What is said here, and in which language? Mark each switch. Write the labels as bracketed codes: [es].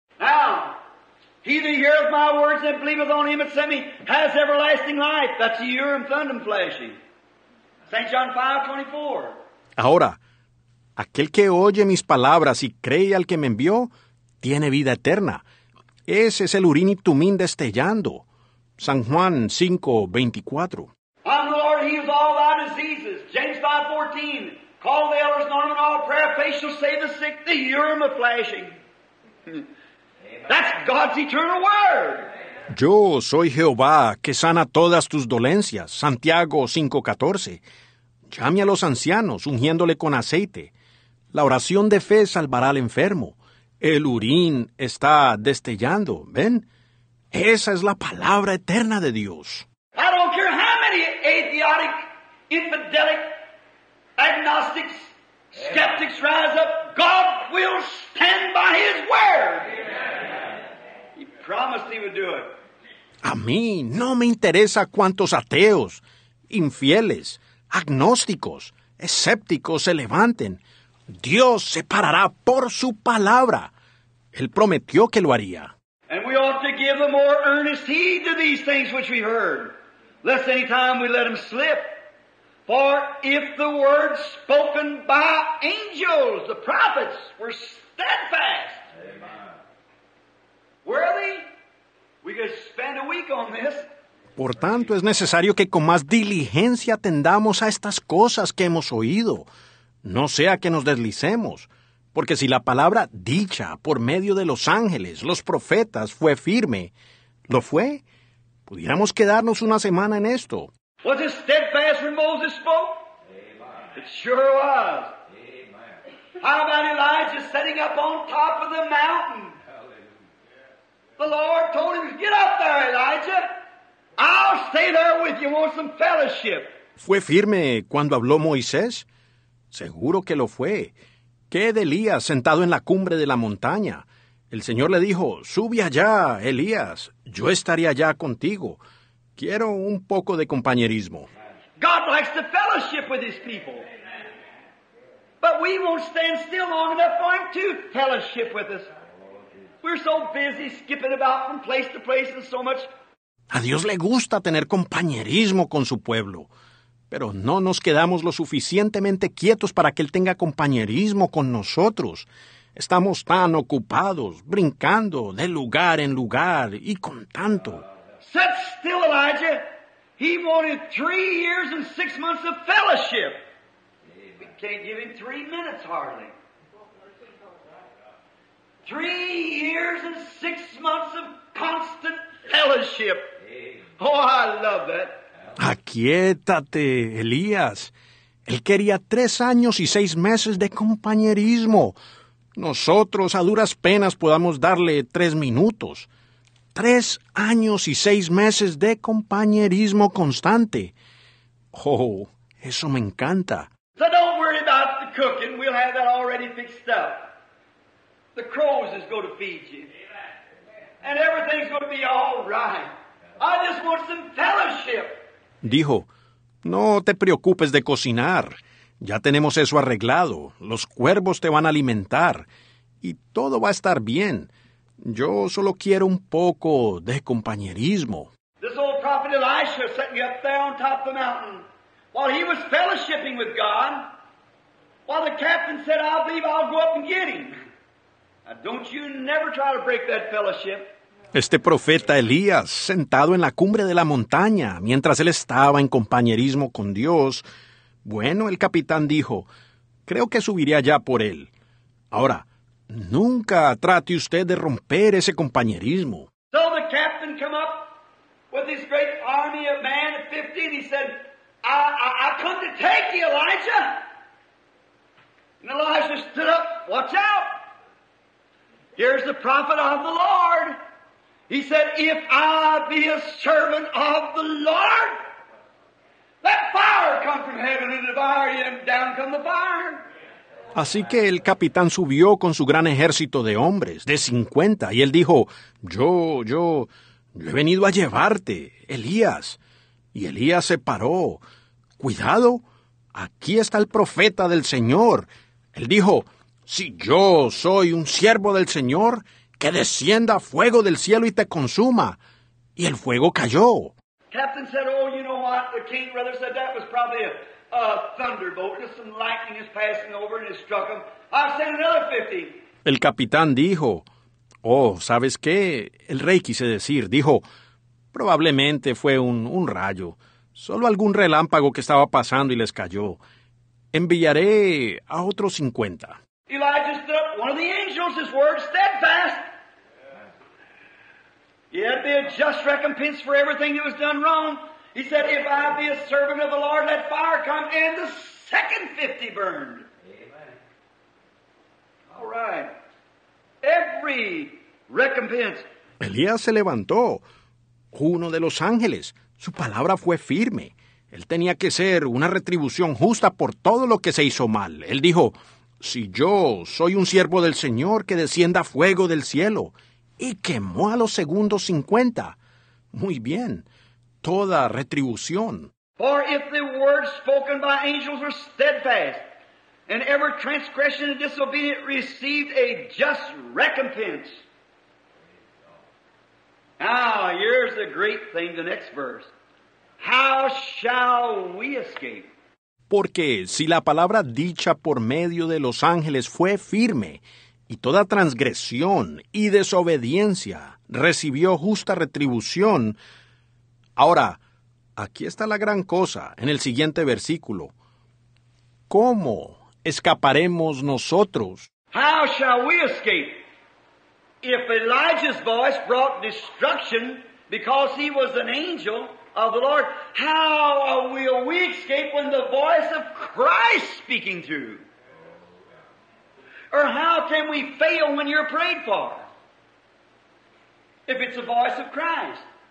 [en] Now, he that heareth my words and believeth on him that sent me has everlasting life. That's the Urim Thummim fleshy. St. John 5:24. [es] Ahora, aquel que oye mis palabras y cree al que me envió, tiene vida eterna. Ese es el Urim y Tumim destellando. San Juan 5:24. [en] I'm the Lord, heals all thy diseases. James 5:14. Call the elders, anoint them in all prayer, faith shall save the sick, the Urim a flashing. That's God's eternal word. [es] Yo soy Jehová, que sana todas tus dolencias. Santiago 5:14. Llame a los ancianos, ungiéndole con aceite. La oración de fe salvará al enfermo. El Urim está destellando, ¿ven? Esa es la palabra eterna de Dios. [en] I don't care how many atheistic, infidelic, agnostics, skeptics rise up. God will stand by His word. He promised He would do it. [es] A mí no me interesa cuántos ateos, infieles, agnósticos, escépticos se levanten. Dios se parará por su palabra. Él prometió que lo haría. [en] And we ought to give a more earnest heed to these things which we heard, lest any time we let them slip. For if the words spoken by angels, the prophets, were steadfast, amen, worthy, we could spend a week on this. [es] Por tanto, es necesario que con más diligencia atendamos a estas cosas que hemos oído, no sea que nos deslicemos. Porque si la palabra dicha por medio de los ángeles, los profetas, fue firme, ¿lo fue? Pudiéramos quedarnos una semana en esto. [en] ¿Was it steadfast when Moses spoke? Amen. It sure was. Amen. How about Elijah setting up on top of the mountain? The Lord told him, get up there, Elijah. I'll stay there with you. Want some fellowship. [es] ¿Fue firme cuando habló Moisés? Seguro que lo fue. ¿Qué de Elías sentado en la cumbre de la montaña? El Señor le dijo, sube allá, Elías. Yo estaré allá contigo. Quiero un poco de compañerismo. [en] God likes to fellowship with His people. But we won't stand still long enough for Him to fellowship with us. We're so busy skipping about from place to place and so much. [es] A Dios le gusta tener compañerismo con su pueblo, pero no nos quedamos lo suficientemente quietos para que Él tenga compañerismo con nosotros. Estamos tan ocupados, brincando de lugar en lugar y con tanto. [en] Set still, Elijah. He wanted 3 years and 6 months of fellowship. We can't give him 3 minutes hardly. 3 years and 6 months of constant fellowship. Oh, I love that. [es] Aquiétate, Elías. Él quería 3 años y 6 meses de compañerismo. Nosotros a duras penas podamos darle 3 minutos. 3 años y 6 meses de compañerismo constante. Oh, eso me encanta. [en] So don't worry about the cooking. We'll have that already fixed up. The crows is going to feed you. And everything's going to be all right. I just want some fellowship. [es] Dijo, no te preocupes de cocinar. Ya tenemos eso arreglado. Los cuervos te van a alimentar. Y todo va a estar bien. Yo solo quiero un poco de compañerismo. [en] This old prophet Elisha set me up there on top of the mountain while he was fellowshipping with God. While the captain said, I believe I'll go up and get him. Now, don't you never try to break that fellowship. [es] Este profeta Elías, sentado en la cumbre de la montaña, mientras él estaba en compañerismo con Dios, bueno, el capitán dijo, creo que subiré allá por él. Ahora, nunca trate usted de romper ese compañerismo. [en] So the captain came up with his great army of man of 50, and he said, I come to take you, Elijah. And Elijah stood up, watch out. Here's the prophet of the Lord. He said, if I be a servant of the Lord, Let fire come from heaven and devour you, and down come the fire. [es] Así que el capitán subió con su gran ejército de hombres, de 50, y él dijo, yo he venido a llevarte, Elías. Y Elías se paró. Cuidado, aquí está el profeta del Señor. Él dijo, si yo soy un siervo del Señor, que descienda fuego del cielo y te consuma. Y el fuego cayó. [en] Captain said, oh, you know what? The king, brother, said that was probably a thunderbolt. Just some lightning is passing over and it struck him. I'll send another 50. [es] El capitán dijo, oh, ¿sabes qué? El rey quise decir, dijo, probablemente fue un rayo. Solo algún relámpago que estaba pasando y les cayó. Enviaré a otros 50. [en] Elijah stood up, one of the angels, his word, steadfast. Yeah, it'd be a just recompense for everything that was done wrong. He said, if I be a servant of the Lord, let fire come, and the second 50 burned. Amen. All right. Every recompense. [es] Elías se levantó, uno de los ángeles. Su palabra fue firme. Él tenía que ser una retribución justa por todo lo que se hizo mal. Él dijo, si yo soy un siervo del Señor, que descienda fuego del cielo. Y quemó a los segundos 50. Muy bien. Toda retribución. [en] For if the words spoken by angels were steadfast, and every transgression and disobedience received a just recompense. Now, here's the great thing, the next verse. How shall we escape? [es] Porque si la palabra dicha por medio de los ángeles fue firme, y toda transgresión y desobediencia recibió justa retribución. Ahora, aquí está la gran cosa, en el siguiente versículo. ¿Cómo escaparemos nosotros? [en] How shall we escape? If Elijah's voice brought destruction because he was an angel of the Lord, how will we escape when the voice of Christ speaking through? Or how can we fail when you're prayed for? If it's the voice of Christ.